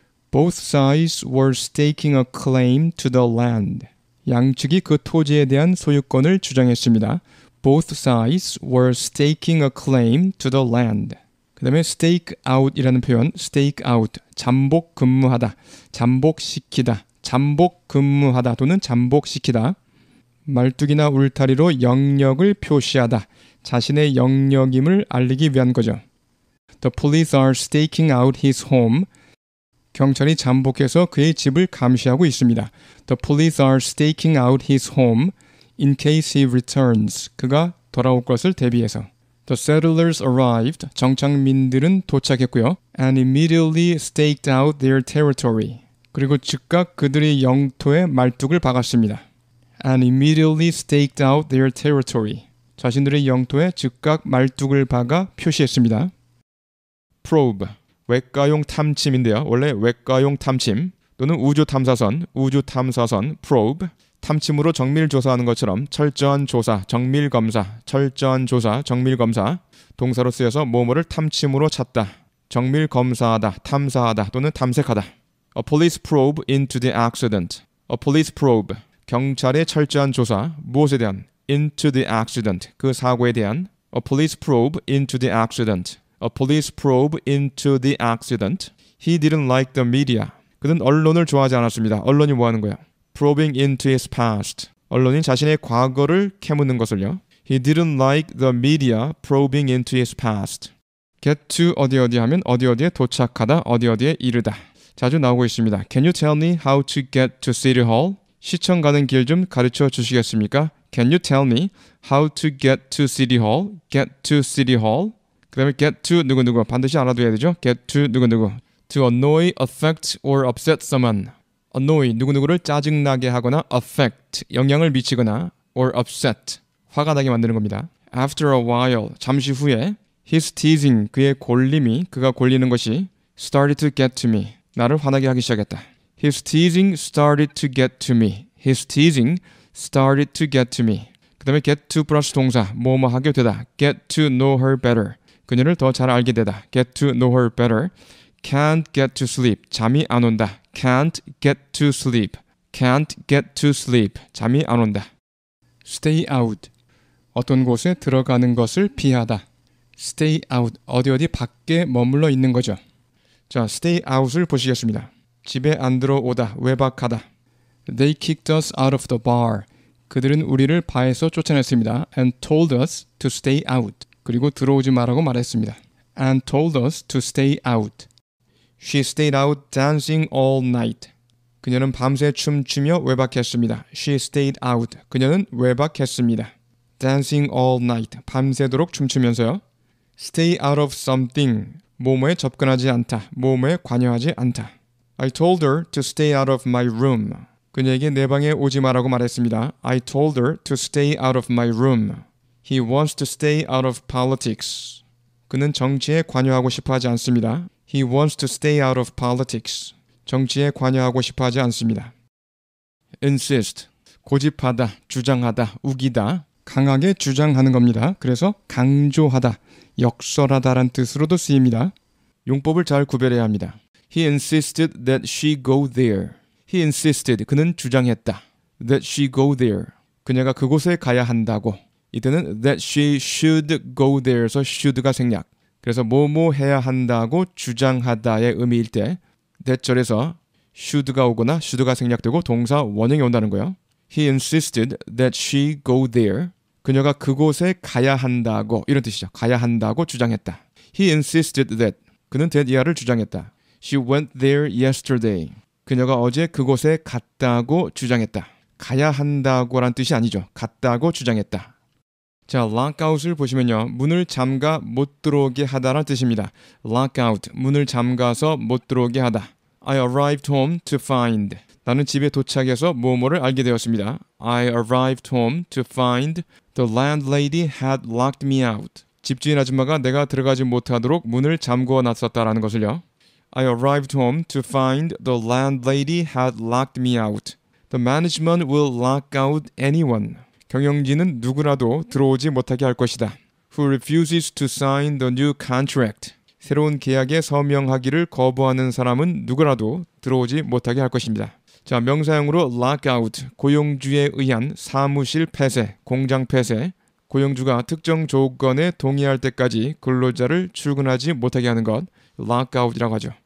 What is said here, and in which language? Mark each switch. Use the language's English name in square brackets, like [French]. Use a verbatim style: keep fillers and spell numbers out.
[English] Both sides were staking a claim to the land. [Korean] 양측이 그 토지에 대한 소유권을 주장했습니다. [English] Both sides were staking a claim to the land. [Korean] 그 다음에 stake out이라는 표현, stake out, 잠복 근무하다, 잠복시키다, 잠복 근무하다 또는 잠복시키다. 말뚝이나 울타리로 영역을 표시하다, 자신의 영역임을 알리기 위한 거죠. [English] The police are staking out his home. [Korean] 경찰이 잠복해서 그의 집을 감시하고 있습니다. [English] The police are staking out his home in case he returns. [Korean] 그가 돌아올 것을 대비해서. [English] The settlers arrived. [Korean] 정착민들은 도착했고요. [English] And immediately staked out their territory. [Korean] 그리고 즉각 그들의 영토에 말뚝을 박았습니다. [English] And immediately staked out their territory. [Korean] 자신들의 영토에 즉각 말뚝을 박아 표시했습니다. probe, 외과용 탐침인데요. 원래 외과용 탐침 또는 우주탐사선, 우주탐사선, probe, 탐침으로 정밀 조사하는 것처럼 철저한 조사, 정밀검사, 철저한 조사, 정밀검사, 동사로 쓰여서 뭐뭐를 탐침으로 찾다, 정밀검사하다, 탐사하다 또는 탐색하다. [English] A police probe into the accident. A police probe, [Korean] 경찰의 철저한 조사, 무엇에 대한? [English] Into the accident, [Korean] 그 사고에 대한. [English] A police probe into the accident. A police probe into the accident. He didn't like the media. [Korean] 그는 언론을 좋아하지 않았습니다. 언론이 뭐 하는 거야? [English] Probing into his past. [Korean] 언론이 자신의 과거를 캐묻는 것을요. [English] He didn't like the media probing into his past. [Korean] Get to 어디 어디 하면 어디 어디에 도착하다, 어디 어디에 이르다. 자주 나오고 있습니다. [English] Can you tell me how to get to City Hall? [Korean] 시청 가는 길 좀 가르쳐 주시겠습니까? [English] Can you tell me how to get to City Hall? Get to City Hall. [Korean] 그 다음에 get to 누구누구 반드시 알아둬야 되죠. [English] get to 누구누구 to annoy, affect or upset someone. [Korean] annoy 누구누구를 짜증나게 하거나 affect 영향을 미치거나 or upset 화가 나게 만드는 겁니다. [English] after a while [Korean] 잠시 후에 [English] his teasing [Korean] 그의 골림이 그가 골리는 것이 [English] started to get to me [Korean] 나를 화나게 하기 시작했다. [English] his teasing started to get to me his teasing started to get to me [Korean] 그 다음에 [English] get to [Korean] 플러스 동사 뭐뭐 하게 되다 [English] get to know her better [Korean] 그녀를 더 잘 알게 되다. [English] Get to know her better. Can't get to sleep. [Korean] 잠이 안 온다. [English] Can't get to sleep. Can't get to sleep. [Korean] 잠이 안 온다. [English] Stay out. [Korean] 어떤 곳에 들어가는 것을 피하다. [English] Stay out. [Korean] 어디 어디 밖에 머물러 있는 거죠. 자, stay out을 보시겠습니다. 집에 안 들어오다. 외박하다. [English] They kicked us out of the bar. [Korean] 그들은 우리를 바에서 쫓아냈습니다. [English] And told us to stay out. [Korean] 그리고 들어오지 말라고 말했습니다. [English] And told us to stay out. She stayed out dancing all night. [Korean] 그녀는 밤새 춤추며 외박했습니다. [English] She stayed out. [Korean] 그녀는 외박했습니다. [English] Dancing all night. [Korean] 밤새도록 춤추면서요. [English] Stay out of something. [Korean] 뭐뭐에 접근하지 않다. 뭐뭐에 관여하지 않다. [English] I told her to stay out of my room. [Korean] 그녀에게 내 방에 오지 말라고 말했습니다. [English] I told her to stay out of my room. He wants to stay out of politics. [Korean] 그는 정치에 관여하고 싶어 하지 않습니다. [English] He wants to stay out of politics. [Korean] 정치에 관여하고 싶어하지 않습니다. insist, 고집하다, 주장하다, 우기다, 강하게 주장하는 겁니다. 그래서 강조하다, 역설하다란 뜻으로도 쓰입니다. 용법을 잘 구별해야 합니다. [English] He insisted that she go there. He insisted, [Korean] 그는 주장했다. [English] That she go there, [Korean] 그녀가 그곳에 가야 한다고. 이때는 [English] that she should go there [Korean] 에서 should가 생략. 그래서 뭐뭐 해야 한다고 주장하다의 의미일 때 that 절에서 should가 오거나 should가 생략되고 동사 원형이 온다는 거예요. [English] He insisted that she go there. [Korean] 그녀가 그곳에 가야 한다고, 이런 뜻이죠. 가야 한다고 주장했다. [English] He insisted that, [Korean] 그는 [English] that [Korean] 이하를 주장했다. [English] She went there yesterday. [Korean] 그녀가 어제 그곳에 갔다고 주장했다. 가야 한다고란 뜻이 아니죠. 갔다고 주장했다. 자, 락아웃을 보시면요. 문을 잠가 못 들어오게 하다라는 뜻입니다. 락아웃, 문을 잠가서 못 들어오게 하다. [English] I arrived home to find. [Korean] 나는 집에 도착해서 뭐뭐를 알게 되었습니다. [English] I arrived home to find the landlady had locked me out. [Korean] 집주인 아줌마가 내가 들어가지 못하도록 문을 잠궈 놨었다라는 것을요. [English] I arrived home to find the landlady had locked me out. The management will lock out anyone. [Korean] 경영진은 누구라도 들어오지 못하게 할 것이다. [English] Who refuses to sign the new contract. [Korean] 새로운 계약에 서명하기를 거부하는 사람은 누구라도 들어오지 못하게 할 것입니다. 자, 명사형으로 lock out, 고용주에 의한 사무실 폐쇄, 공장 폐쇄. 고용주가 특정 조건에 동의할 때까지 근로자를 출근하지 못하게 하는 것, lock out이라고 하죠.